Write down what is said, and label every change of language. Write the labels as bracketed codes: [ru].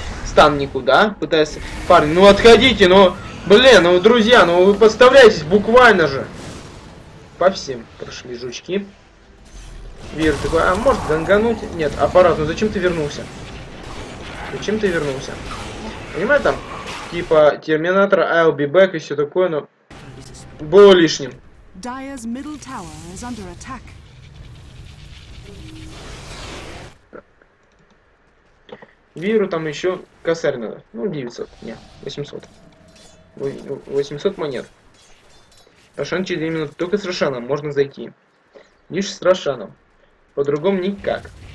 [ru] Стан никуда, пытается... Парни, ну отходите, ну, блин, ну, друзья, ну вы подставляетесь буквально же. По всем прошли жучки. Вир такой, а может гангануть? Нет, аппарат, ну зачем ты вернулся? Зачем ты вернулся? Понимаешь, там, типа Терминатора, [en] I'll be back [ru] и все такое, но... Было лишним. [en] Dire's middle tower is under attack. [ru] Виру там еще косарь надо. Ну, 900. Не, 800. 800 монет. Рошан через 2 минуты. Только с Рошаном можно зайти. Лишь с Рошаном. По-другому никак.